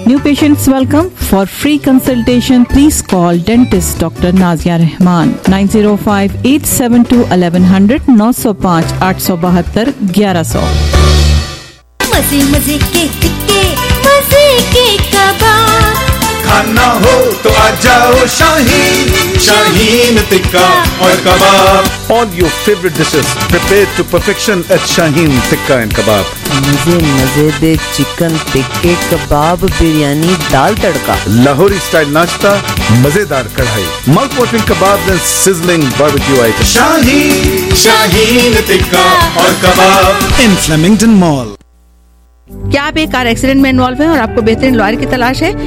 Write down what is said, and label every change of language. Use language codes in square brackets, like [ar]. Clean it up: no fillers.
[en] New patients welcome. For free consultation please call dentist doctor Nazia Rahman 9058721100, 905-872-1100। [hi] मजे मजे के टिक्के, मजे के कबाब, खाना हो तो आ जाओ शाहीन, शाहीन टिक्का और कबाब। [en] All your favorite dishes prepared to perfection at Shaheen Tikka and Kebab. [hi] मजे मजे दे चिकन टिक्के कबाब, बिरयानी, दाल तड़का, लाहौरी स्टाइल नाश्ता, मजेदार कढ़ाई, [en] Mouth watering kebab and sizzling barbecue item. [hi] Shaheen, Shaheen tikka और कबाब इन फ्लेमिंगटन मॉल। क्या आप एक कार एक्सीडेंट में इन्वॉल्व हैं और आपको बेहतरीन लॉयर की तलाश है?